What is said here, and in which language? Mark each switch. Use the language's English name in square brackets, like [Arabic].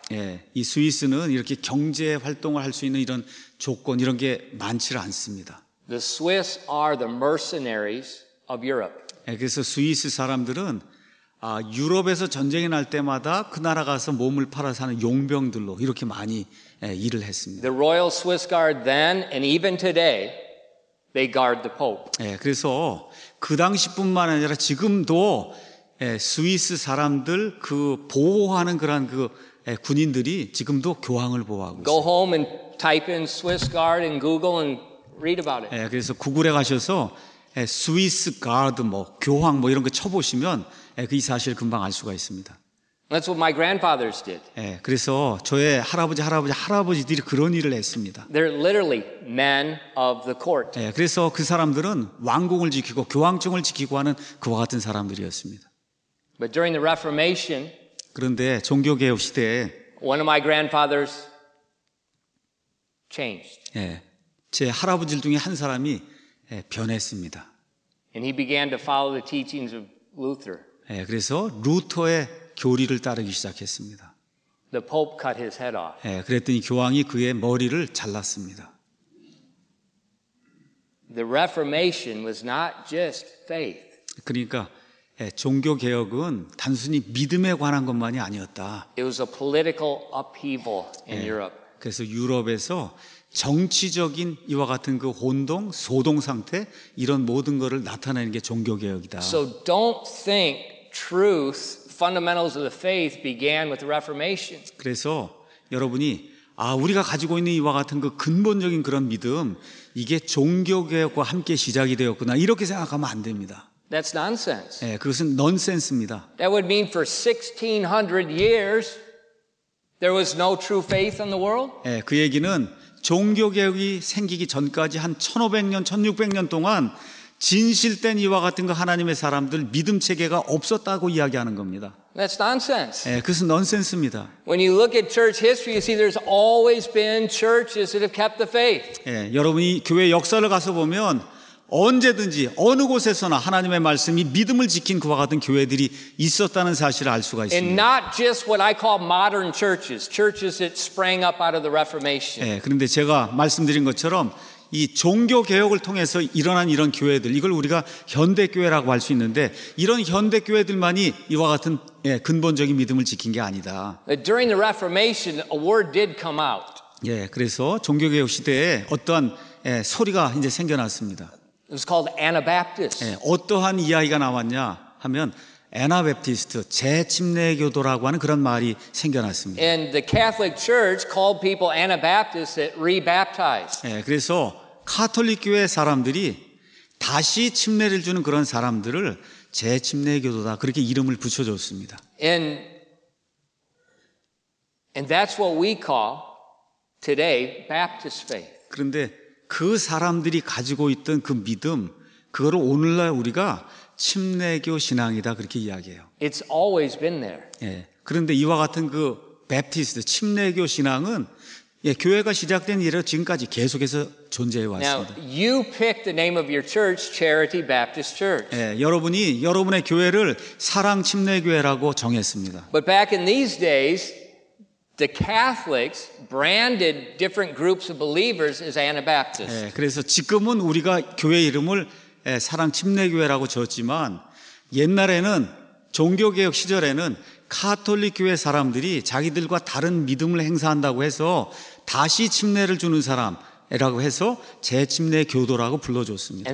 [Korean] 예, 이 스위스는 이렇게 경제 활동을 할 수 있는 이런 조건 이런 게 많지를 않습니다. [English] The Swiss are the mercenaries of Europe. [Korean] 예, 그래서 스위스 사람들은 유럽에서 전쟁이 날 때마다 그 나라 가서 몸을 팔아 사는 용병들로 이렇게 많이 일을 했습니다. [English] The Royal Swiss Guard then and even today they guard the Pope. [Korean] 예, 그래서 그 당시뿐만 아니라 지금도 예, 스위스 사람들 그 보호하는 그런 그 예, 군인들이 지금도 교황을 보호하고 있어요. [English] Go home and type in Swiss Guard in Google and read about it. [Korean] 예, 그래서 구글에 가셔서 예, 스위스 가드 뭐 교황 뭐 이런 거 쳐보시면 예, 그 이 사실 금방 알 수가 있습니다. [English] That's what my grandfathers did. [Korean] 예, 그래서 저의 할아버지 할아버지 할아버지들이 그런 일을 했습니다. [English] They're literally men of the court. [Korean] 예, 그래서 그 사람들은 왕궁을 지키고 교황청을 지키고 하는 그와 같은 사람들이었습니다. [English] But during the Reformation, [Korean] 그런데 종교 개혁 시대에 [English] one of my grandfathers changed. [Korean] 예, 제 할아버지들 중에 한 사람이 예, 변했습니다. [English] And he began to follow the teachings of Luther. [Korean] 예, 그래서 루터의 교리를 따르기 시작했습니다. [English] The Pope cut his head off. [Korean] 예, 그랬더니 교황이 그의 머리를 잘랐습니다. [English] The Reformation was not just faith. [Korean] 그러니까 예, 종교 개혁은 단순히 믿음에 관한 것만이 아니었다. [English] It was a political upheaval in Europe. [Korean] 그래서 유럽에서 정치적인 이와 같은 그 혼동, 소동 상태 이런 모든 것을 나타내는 게 종교 개혁이다. [English] So don't think truth, fundamentals of the faith began with the Reformation. [Korean] 그래서 여러분이 우리가 가지고 있는 이와 같은 그 근본적인 그런 믿음 이게 종교 개혁과 함께 시작이 되었구나 이렇게 생각하면 안 됩니다. [English] That's nonsense. [Korean] 예, 그것은 넌센스입니다. [English] That would mean for 1600 years there was no true faith in the world. [Korean] 예, 그 얘기는 종교 개혁이 생기기 전까지 한 1500년, 1600년 동안 진실된 이와 같은 거 하나님의 사람들 믿음 체계가 없었다고 이야기하는 겁니다. [English] That's nonsense. [Korean] 예, 그것은 넌센스입니다. [English] When you look at church history, you see there's always been churches that have kept the faith. [Korean] 예, 여러분이 교회 역사를 가서 보면 언제든지 어느 곳에서나 하나님의 말씀이 믿음을 지킨 그와 같은 교회들이 있었다는 사실을 알 수가 있습니다. [English] And not just what I call modern churches, churches that sprang up out of the Reformation. [Korean] 예, 그런데 제가 말씀드린 것처럼 이 종교 개혁을 통해서 일어난 이런 교회들, 이걸 우리가 현대 교회라고 할 수 있는데 이런 현대 교회들만이 이와 같은 예, 근본적인 믿음을 지킨 게 아니다. [English] During the Reformation, a word did come out. [Korean] 예, 그래서 종교 개혁 시대에 어떠한 예, 소리가 이제 생겨났습니다. [English] It was called Anabaptist. [Korean] 예, 어떠한 이야기가 나왔냐 하면 Anabaptist, 재침례교도라고 하는 그런 말이 생겨났습니다. [English] And the Catholic Church called people Anabaptists that rebaptized. [Korean] 예, 그래서 가톨릭 교회 사람들이 다시 침례를 주는 그런 사람들을 재침례교도다 그렇게 이름을 붙여줬습니다. [English] And that's what we call today Baptist faith. [Korean] 그런데 그 사람들이 가지고 있던 그 믿음, 그거를 오늘날 우리가 침례교 신앙이다 그렇게 이야기해요. [English] It's always been there. [Korean] 예. 그런데 이와 같은 그 Baptist 침례교 신앙은 예, 교회가 시작된 이래로 지금까지 계속해서 존재해 왔습니다. [English] Now you pick the name of your church, Charity Baptist Church. [Korean] 예, 여러분이 여러분의 교회를 사랑 침례교회라고 정했습니다. [English] But back in these days, the Catholics branded different groups of believers as Anabaptists. [Korean] 예, 그래서 지금은 우리가 교회 이름을 예, 사랑 침례교회라고 지었지만 옛날에는 종교개혁 시절에는 카톨릭 교회 사람들이 자기들과 다른 믿음을 행사한다고 해서 다시 침례를 주는 사람이라고 해서 재침례 교도라고 불러줬습니다.